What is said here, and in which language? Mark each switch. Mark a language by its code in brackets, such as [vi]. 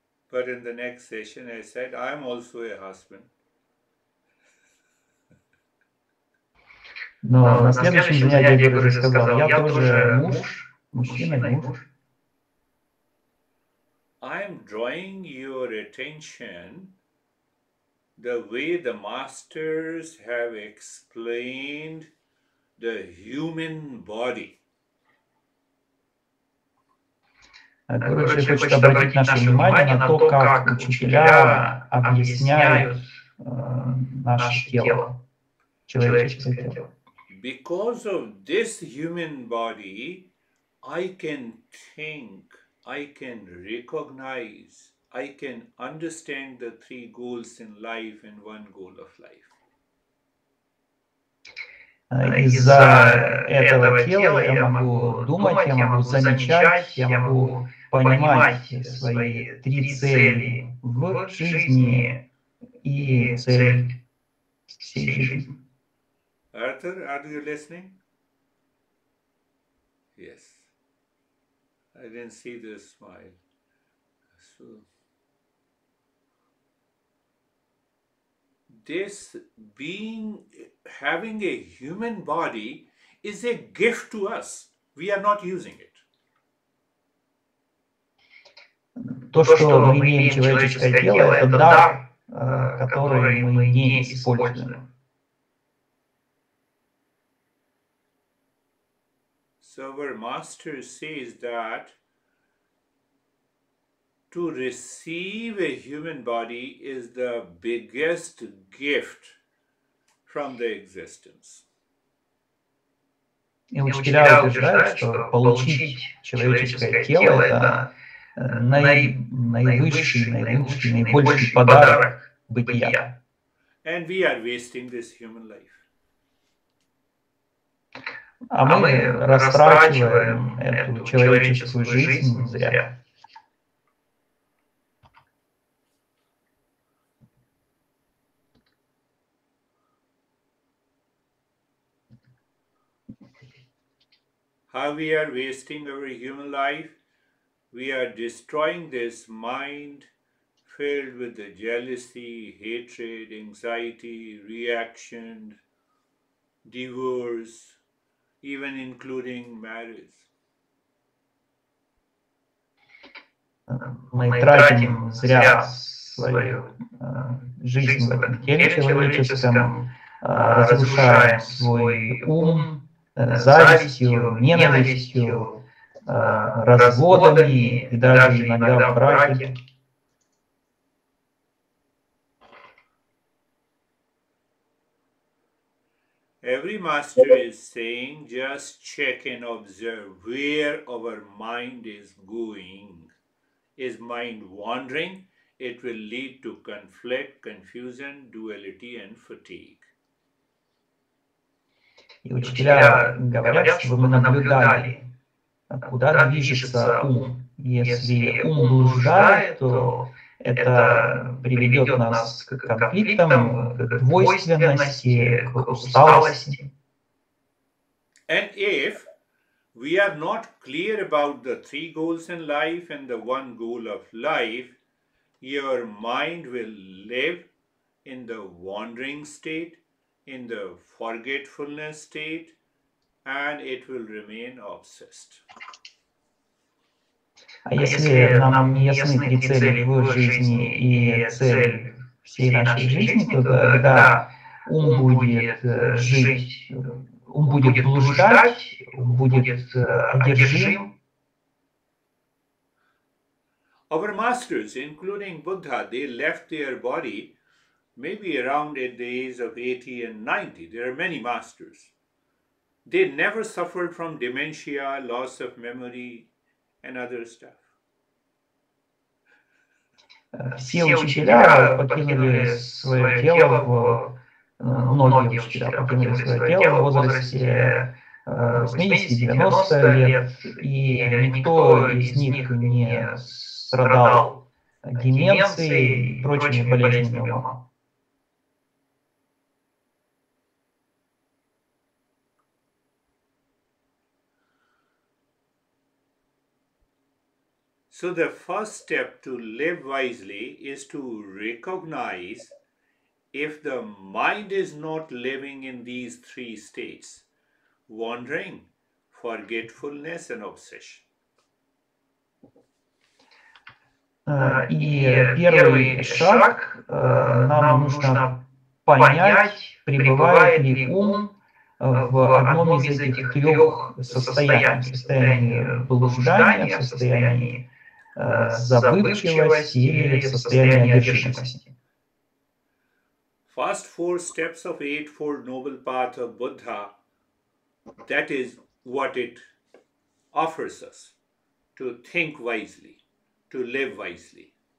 [en] But in the next session I said, I'm also a husband. [ru] Но на следующем занятии я уже сказал, я тоже муж, мужчина, не муж. [en] I'm drawing your attention the way the masters have explained the human body. [ru] Короче, хочет обратить наше внимание на то, как учителя объясняют наше тело, человеческое тело. [en] Because of this human body, I can think, I can recognize, I can understand the three goals in life and one goal of life. [ru] Із-за этого тела я могу думать, я могу замечать, я могу понимать свои три цели в жизни и цель всей жизни. [en] Arthur, are you listening? Yes. I didn't see the smile. So this being, having a human body is a gift to us. We are not using it. [ru] То, что мы имеем человеческое тело, это дар, который мы не используем. [en] So our master says that to receive a human body is the biggest gift from the existence. [ru] И учителя утверждают, что получить человеческое тело – это наибольший подарок бытия. [en] And we are wasting this human life. [ru] А мы растрачиваем эту человеческую жизнь зря. [en] How we are wasting our human life? We are destroying this mind filled with the jealousy, hatred, anxiety, reaction, divorce, even including marriage. [ru] Мы тратим зря свою жизнь в этом теле человеческом, разрушаем свой ум завистью, ненавистью, разводами и даже иногда в браке. [en] Every master is saying, just check and observe where our mind is going. Is mind wandering? It will lead to conflict, confusion, duality and fatigue. [ru] И учителя говорят, чтобы мы наблюдали, куда движется ум. Если ум блуждает, то это приведет нас к конфликтам, к двойственности, к усталости. [en] And if we are not clear about the three goals in life and the one goal of life, your mind will live in the wandering state, in the forgetfulness state, and it will remain obsessed. [ru] А если нам не ясны три цели в жизни и цель всей нашей жизни, то тогда ум будет жить, ум будет блуждать, ум будет одержим. [en] Our masters, including Buddha, they left their body maybe around at the age of 80 and 90. There are many masters. They never suffered from dementia, loss of memory and other stuff. [ru] Все учителя покинули свое тело, многие учителя покинули свое тело в возрасте 80-90 лет, и никто из них не страдал деменцией и прочими болезнями ума. [en] So the first step to live wisely is to recognize if the mind is not living in these three states, wandering, forgetfulness and obsession. [ru] И первый шаг, нам нужно понять, пребывает ли ум в одном из этих трех состояний, состоянии блуждания, состоянии забывчивость или состояние одержимости. [en] First four steps of Eightfold Noble Path of Buddha, that is what it offers us to think wisely, to live wisely.